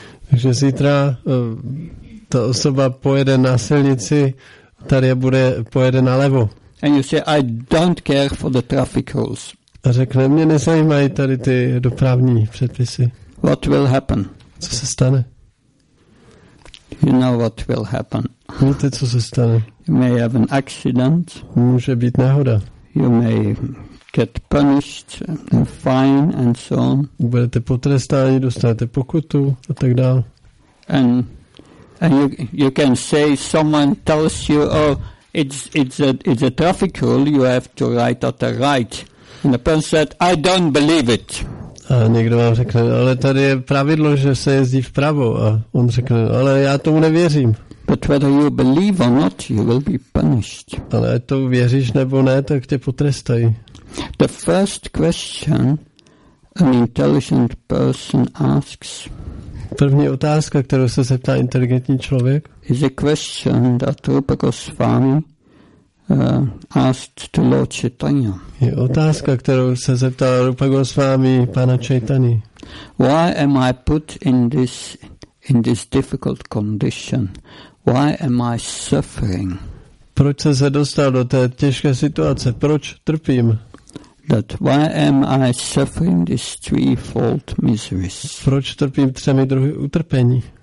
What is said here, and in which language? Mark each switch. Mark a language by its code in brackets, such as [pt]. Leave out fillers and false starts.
[cs] Takže zítra ta osoba pojede na silnici, tady bude pojede na levo. [en] And you say, I don't care for the traffic rules. [cs] A řekne, mě nezajímají tady ty dopravní předpisy. [en] What will happen? [cs] Co se stane? [en] You know what will happen. [cs] Víte, co se stane? [en] You may have an accident. [cs] Může být nehoda. [en] You may get punished, a fine and so on. [cs] Budete potrestáni, dostanete pokutu a tak dál. [en] And you can say someone tells you, oh, it's a traffic rule, you have to write at the right. And the person said, I don't believe it. [cs] A někdo vám řekne, ale tady je pravidlo, že se jezdí vpravo. A on řekne, ale já tomu nevěřím. [en] But whether you believe or not, you will be punished. [cs] Ale to věříš nebo ne, tak tě potrestají. [en] The first question an intelligent person asks. [cs] První otázka, kterou se zeptá inteligentní člověk. [en] Is a question that Rupa Goswami asked to Lord Chaitanya. [cs] Je otázka, kterou se zeptal Rupa Goswami pana Chaitany. [en] Why am I put in this difficult condition? Why am I suffering? [cs] Proč jsem se dostal do té těžké situace? Proč trpím? [en] That why am I suffering these threefold miseries? [cs] Proč trpím třemi druhy utrpení?